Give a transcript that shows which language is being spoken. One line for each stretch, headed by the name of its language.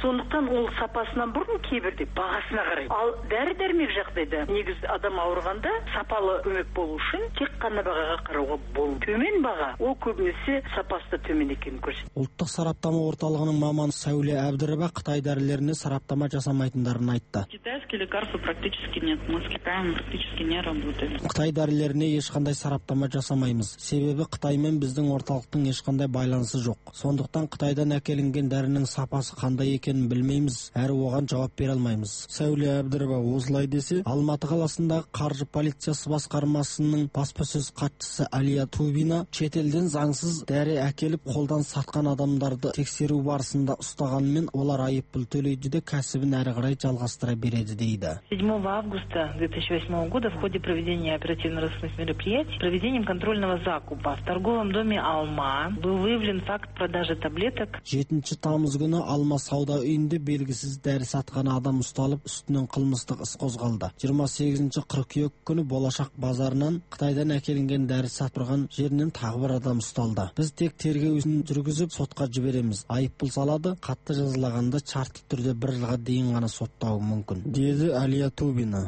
Kazakh: Сондықтан ол сапасынан бұрын кейбірде бағасына қарай. Ал дәрі-дәрмек жағдайда негізі адам ауырғанда сапалы көмек болу үшін тек қана бағаға қарауға болу. Төмен баға ол көбінесе сапасы да төмен екенін көрсетеді. Ұлттық сараптама орталығының маманы Сәуле Әбдірова Қытай дәрілеріне сараптама жасамайтындарын айтты.
Russian: Китайские лекарства практически нет. Мы с Китаем практически не работаем.
Kazakh: Қытай дәрілеріне ешқандай сараптама жасамаймыз. Себебі Қытаймен біздің орталықтың ешқандай байланысы жоқ. Сондықтан Қытайдан әкелінген дәрінің сапасы қандай екенін білмейміз, әрі оған жауап бере алмаймыз. Сәуле Әбдірова осылай десе, Алматы қаласындағы қаржы полициясы басқармасының баспасөз хатшысы Алия Тубина шетелден заңсыз дәрі әкеліп қолдан сатқан адамдарды тексеру барысында ұстағанымен олар айыппұл төлейді де кәсібін әрі қарай жалғастыра береді дейді.
Russian: 7 августа 2008 года в ходе проведения оперативно-розыскных мероприятий проведением контрольного закупа в торговом доме Алма был выявлен факт продажи таблеток.
Kazakh: 7 тамыз күні Алма сауда үйінде белгісіз дәрі сатқан адам ұсталып, үстінен қылмыстық іс қозғалды. 28 қыркүйек күні Болашақ базарынан Қытайдан әкелінген дәрі сатқан жерінен тағы бір адам ұсталды. Біз тек тергеуін жүргізіп сотқа жібереміз. Айыппұл салады, қатты жазылағанда шартты түрде бір жылға дейін ғана соттауы мүмкін, деді Алия Тубина.